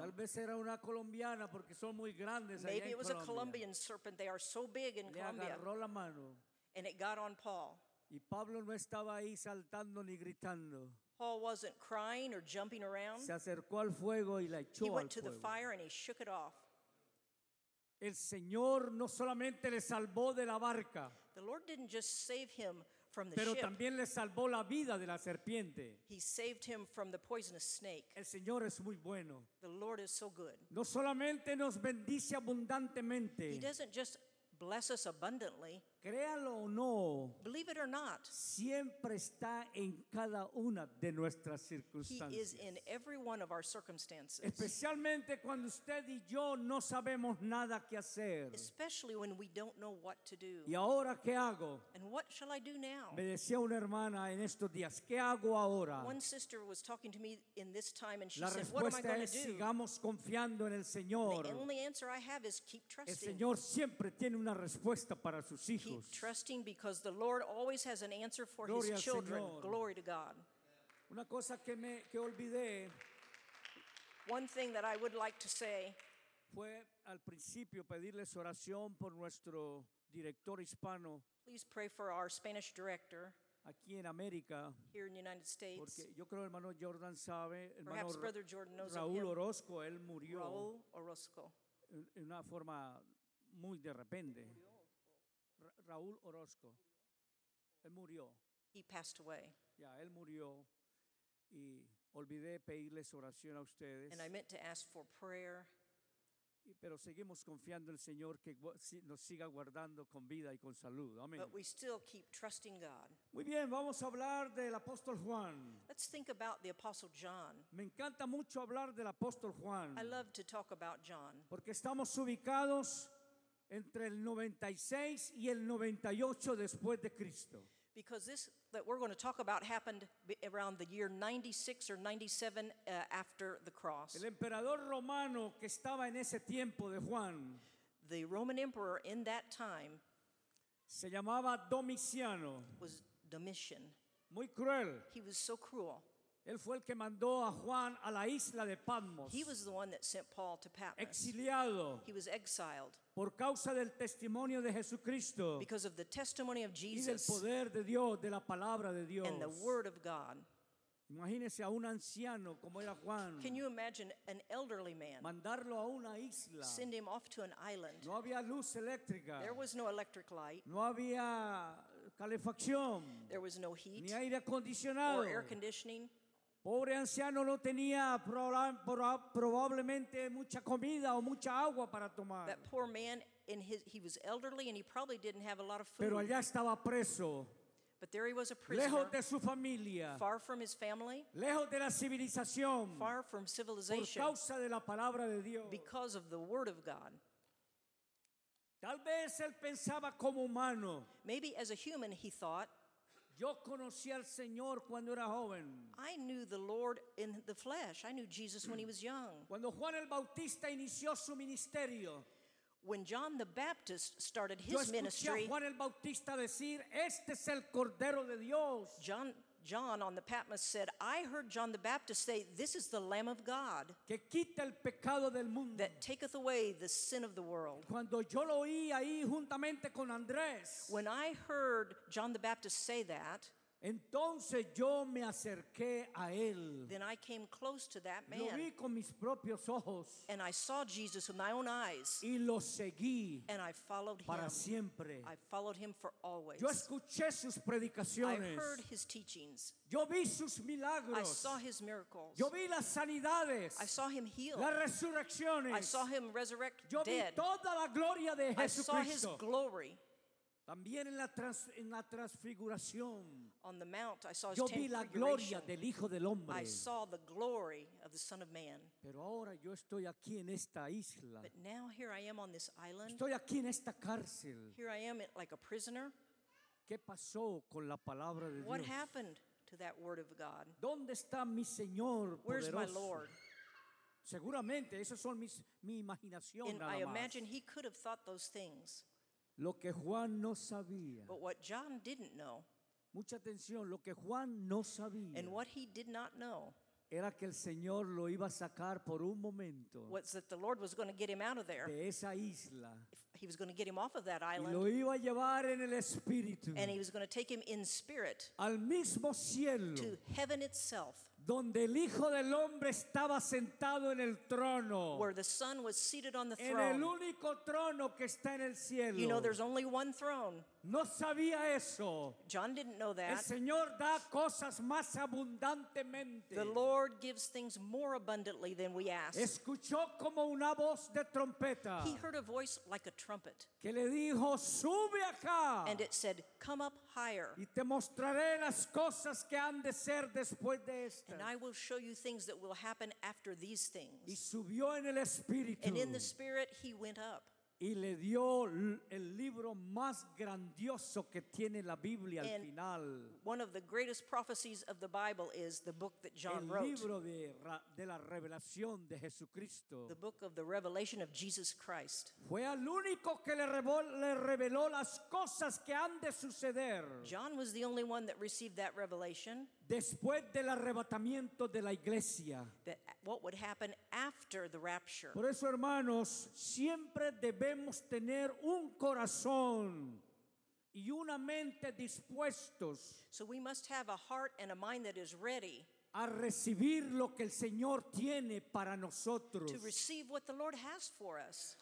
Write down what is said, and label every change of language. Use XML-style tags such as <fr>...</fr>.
<es>Tal vez era una colombiana porque son muy grandes allá en Colombia.</es> <en>Maybe it was a Colombian serpent. They are so big in Colombia.</en> <es>Le agarró la mano,</es> <en>and it got on Paul.</en> <es>Y Pablo no estaba ahí saltando ni gritando.</es> <en>Paul wasn't crying or jumping around.</en> <es>Se acercó al fuego y la echó al fuego.</es> <en>He went to the fire and he shook it off.</en> <es>El Señor no solamente le salvó de la barca,</es> <en>the Lord didn't just save him from the</en> <es>pero</es> <en>ship,</en> <es>también le salvó la vida de la serpiente.</es> <en>He saved him from the poisonous snake.</en> <es>El Señor es muy bueno.</es> <en>The Lord is so good.</en> <es>No solamente nos bendice abundantemente.</es> <en>He doesn't just bless us abundantly.</en> <es>Créalo o no,</es> <en>believe it or not,</en> <es>siempre está en cada una de nuestras circunstancias.</es> <en>He is in every one of our circumstances.</en> <es>Especialmente cuando usted y yo no sabemos nada que hacer.</es> <en>Especially when we don't know what to do.</en> <es>¿Y ahora qué hago?</es> <en>And what shall I do now?</en> <es>Me decía una hermana en estos días, ¿qué hago ahora?</es> <en>One sister was talking to me in this time and she</en> <es>la</es> <en>said, what am I going to do?</en> <es>Sigamos confiando en el Señor.</es> <en>The only answer I have is keep trusting.</en> <es>El Señor siempre tiene una respuesta para sus hijos.</es> <en>Keep trusting because the Lord always has an answer for</en> <es>Gloria</es> <en>his children.</en> <es>Señor.</es> <en>Glory to God.</en> <es>Una cosa que me, que olvidé,</es> <en>one thing that I would like to say</en> <es>fue al principio pedirles oración por nuestro director hispano.</es> <en>Please pray for our Spanish director</en> <es>aquí en América,</es> <en>here in the United States.</en> <es>Porque yo creo hermano Jordan sabe, hermano</es> <en>perhaps Brother Jordan knows</en> <es>Raúl Orozco, él murió</es> <en>Raúl Orozco.</en> <es>En una forma muy de repente. Raúl Orozco, él murió.</es> <en>He passed away.</en> <es>Ya, él murió y olvidé pedirles oración a ustedes.</es> <en>And I meant to ask for prayer.</en> <es>Pero seguimos confiando en el Señor que nos siga guardando con vida y con salud. Amén.</es> <en>But we still keep trusting God.</en> <es>Muy bien, vamos a hablar del apóstol Juan.</es> <en>Let's think about the apostle John.</en> <es>Me encanta mucho hablar del apóstol Juan.</es> <en>I love to talk about John.</en> <es>Porque estamos ubicados entre el 96 y el 98 después de Cristo.</es> <en>Because this that we're going to talk about happened around the year 96 or 97 after the cross.</en> <es>El emperador romano que estaba en ese tiempo de Juan,</es> <en>the Roman emperor in that time,</en> <es>se llamaba Domiciano.</es> <en>Was Domitian.</en> <es>Muy cruel.</es> <en>He was so cruel.</en> <es>Él fue el que mandó a Juan a la isla de Patmos.</es> <en>He was the one that sent Paul to Patmos.</en> <es>Exiliado.</es> <en>He was exiled.</en> <es>Por causa del testimonio de Jesucristo.</es> <en>Because of the testimony of Jesus.</en> <es>Y del poder de Dios, de la palabra de Dios.</es> <en>And the word of God.</en> <es>Imagínese a un anciano como era Juan.</es> <en>Can you imagine an elderly man?</en> <es>Mandarlo a una isla.</es> <en>Send him off to an island.</en> <es>No había luz eléctrica.</es> <en>There was no electric light.</en> <es>No había calefacción.</es> <en>There was no heat.</en> <es>Ni aire acondicionado.</es> <en>Or air conditioning.</en> <es>Pobre anciano no tenía probablemente mucha comida o mucha agua para tomar.</es> <en>That poor man, in his, he was elderly and he probably didn't have a lot of food.</en> <es>Pero allá estaba preso.</es> <en>But there he was a prisoner.</en> <es>Lejos de su familia.</es> <en>Far from his family.</en> <es>Lejos de la civilización.</es> <en>Far from civilization.</en> <es>Por causa de la palabra de Dios.</es> <en>Because of the word of God.</en> <es>Tal vez él pensaba como humano.</es> <en>Maybe as a human he thought.</en> <es>Yo conocí al Señor cuando era joven.</es> <en>I knew the Lord in the flesh. I knew Jesus when he was young.</en> <es>Cuando Juan el Bautista inició su ministerio.</es> <en>When John the Baptist started his ministry.</en> <es>Yo escuché a Juan el Bautista decir, este es el Cordero de Dios.</es> <en>John on the Patmos said, I heard John the Baptist say, this is the Lamb of God.</en> <es>Que quita el pecado del mundo.</es> <en>That taketh away the sin of the world.</en> <es>Cuando yo lo oí ahí juntamente con Andrés.</es> <en>When I heard John the Baptist say that.</en> <es>Entonces yo me acerqué a él.</es> <en>Then I came close to that man.</en> <es>Lo vi con mis propios ojos.</es> <en>And I saw Jesus with my own eyes.</en> <es>Y lo seguí.</es> <en>And I followed him.</en> <es>Para siempre.</es> <en>I followed him for always.</en> <es>Yo escuché sus predicaciones.</es> <en>I heard his teachings.</en> <es>Yo vi sus milagros.</es> <en>I saw his miracles.</en> <es>Yo vi las sanidades.</es> <en>I saw him heal.</en> <es>Las resurrecciones.</es> <en>I saw him resurrect</en> <es>yo</es> <en>dead.</en> <es>Yo vi toda la gloria de Jesucristo.</es> <en>I saw his glory.</en> <es>También en la transfiguración.</es> <en>On the mount, I saw his</en> <es>yo vi la gloria del Hijo del Hombre.</es> <en>I saw the glory of the Son of Man.</en> <es>Pero ahora yo estoy aquí en esta isla.</es> <en>But now here I am on this island.</en> <es>Estoy aquí en esta cárcel.</es> <en>Here I am like a prisoner.</en> <es>¿Qué pasó con la palabra de Dios?</es> <en>What happened to that word of God?</en> <es>¿Dónde está mi Señor poderoso?</es> <en>Where's my Lord?</en> <es>Seguramente esas son mi imaginación nada más.</es> <en>I imagine he could have thought those things.</en> <es>Lo que Juan no sabía.</es> <en>But what John didn't know.</en> <es>Mucha atención, lo que Juan no sabía.</es> <en>And what he did not know.</en> <es>Era que el Señor lo iba a sacar por un momento.</es> <en>Was that the Lord was going to get him out of there.</en> <es>De esa isla.</es> <en>He was going to get him off of that island.</en> <es>Y lo iba a llevar en el espíritu.</es> <en>And he was going to take him in spirit.</en> <es>Al mismo cielo.</es> <en>To heaven itself.</en> <es>Donde el Hijo del Hombre estaba sentado en el trono.</es> <en>Where the Son was seated on the throne.</en> <es>En el único trono que está en el cielo.</es> <en>You know, there's only one throne.</en> <es>No sabía eso.</es> <en>John didn't know that.</en> <es>El Señor da cosas más abundantemente.</es> <en>The Lord gives things more abundantly than we ask.</en> <es>Escuchó como una voz de trompeta.</es> <en>He heard a voice like a trumpet.</en> <es>Que le dijo, sube acá.</es> <en>And it said, come up higher.</en> <es>Y te mostraré las cosas que han de ser después de esto.</es> <en>And I will show you things that will happen after these things.</en> <es>Y subió en el espíritu.</es> <en>And in the spirit he went up.</en> <es>Y le dio el libro más grandioso que tiene la Biblia</es> <en>and</en> <es>al final.</es> <en>One of the greatest prophecies of the Bible is the book that John wrote.</en> <es>Libro de la revelación de Jesucristo.</es> <en>The book of the revelation of Jesus Christ.</en> <es>Fue el único que le reveló las cosas que han de suceder.</es> <en>John was the only one that received that revelation.</en> <es>Después del arrebatamiento de la iglesia.</es> <en>That what would happen after the rapture.</en> <es>Por eso, hermanos, siempre debemos tener un corazón y una mente dispuestos.</es> <en>So we must have a heart and a mind that is ready.</en> <es>A recibir lo que el Señor tiene para nosotros.</es> <en>To receive what the Lord has for us.</en>